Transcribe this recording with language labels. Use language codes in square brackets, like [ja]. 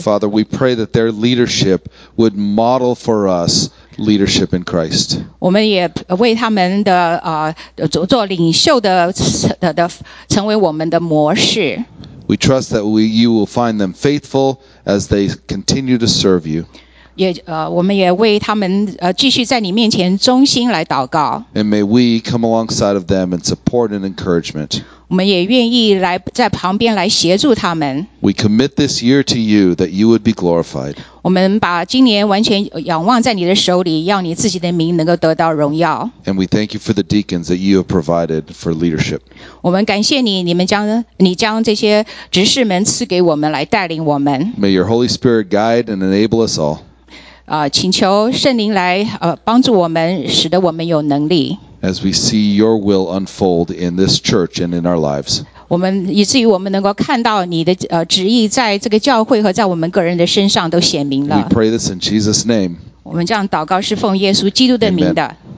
[en] Father, we pray that their leadership would model for us. Leadership in Christ. [zh] 我们也为他们的做领袖的成为我们的模式。 [en] We trust that you will find them faithful as they continue to serve you. [zh] 也我们也为他们继续在你面前忠心来祷告。 [en] And may we come alongside of them in support and encouragement. [zh] 我们也愿意来在旁边来协助他们。 [en] We commit this year to you that you would be glorified. [zh] 我们把今年完全仰望在你的手里，要你自己的名能够得到荣耀。 [en] And we thank you for the deacons that you have provided for leadership. [zh] 我们感谢你，你将这些执事们赐给我们来带领我们。 [en] May your Holy Spirit guide and enable us all. [zh] 请求圣灵来帮助我们，使得我们有能力。 [en] As we see your will unfold in this church and in our lives. [zh] 我们以至于我们能够看到你的旨意在这个教会和在我们个人的身上都显明了。 [en] We pray this in Jesus' name. [zh] 我们这样祷告是奉耶稣基督的名的。